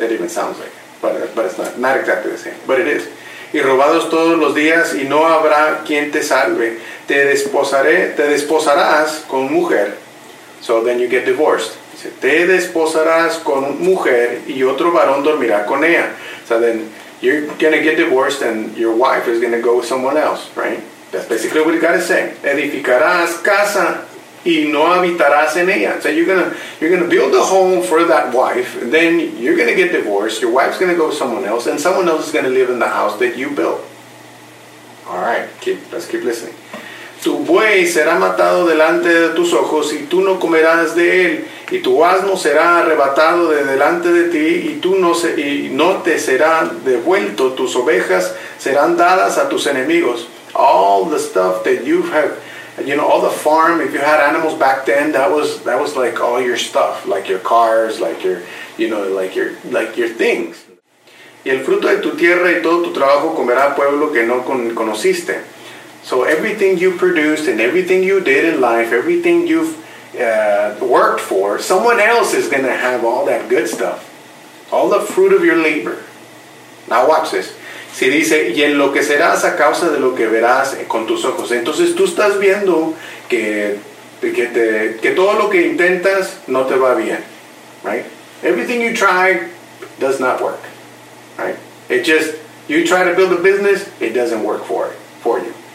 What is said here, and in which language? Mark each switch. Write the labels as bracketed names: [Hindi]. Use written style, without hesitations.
[English] It even sounds like it. But it's not exactly the same. But it is. [Spanish] Y robados todos los días y no habrá quien te salve. Te desposarás con mujer. [English] So then you get divorced. [Spanish] Dice, te desposarás con mujer y otro varón dormirá con ella. [English] So then you're going to get divorced and your wife is going to go with someone else, right? That's basically what God is saying. [Spanish] Edificarás casa y no habitarás en ella. [English] So you're gonna build a home for that wife, and then you're going to get divorced, your wife's going to go with someone else, and someone else is going to live in the house that you built. All right, let's keep listening. [Spanish] Tu buey será matado delante de tus ojos, y tú no comerás de él, y tu asno será arrebatado de delante de ti, y tú no te será devuelto, tus ovejas serán dadas a tus enemigos. [English] All the stuff that you have, you know, all the farm, if you had animals back then, that was like all your stuff, like your cars, like your, you know, like your things. [Spanish] Y el fruto de tu tierra y todo tu trabajo comerá pueblo que no conociste. [English] So everything you produced and everything you did in life, everything you've worked for, someone else is going to have all that good stuff. All the fruit of your labor. Now watch this. [Spanish] Si dice, y enloquecerás a causa de lo que verás con tus ojos. Entonces tú estás viendo que todo lo que intentas no te va bien. [English] Right? Everything you try does not work. Right? It just, you try to build a business, it doesn't work for you.